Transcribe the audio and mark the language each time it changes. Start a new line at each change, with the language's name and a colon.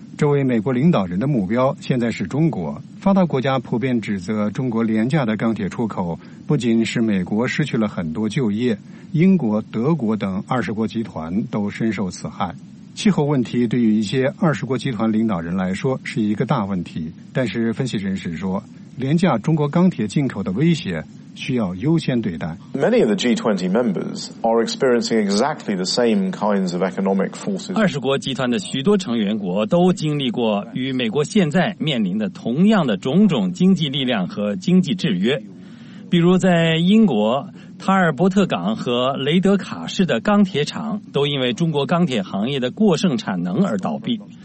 Chinese: 这位美国领导人的目标现在是中国。发达国家普遍指责中国廉价的钢铁出口，不仅使美国失去了很多就业，英国、德国等二十国集团都深受此害。气候问题对于一些二十国集团领导人来说是一个大问题，但是分析人士说，廉价中国钢铁进口的威胁需要优先对待。
English: Many of the G20 members are experiencing exactly the same kinds of economic forces.
Chinese: 二十国集团的许多成员国都经历过与美国现在面临的同样的种种经济力量和经济制约。比如在英国，塔尔伯特港和雷德卡市的钢铁厂都因为中国钢铁行业的过剩产能而倒闭。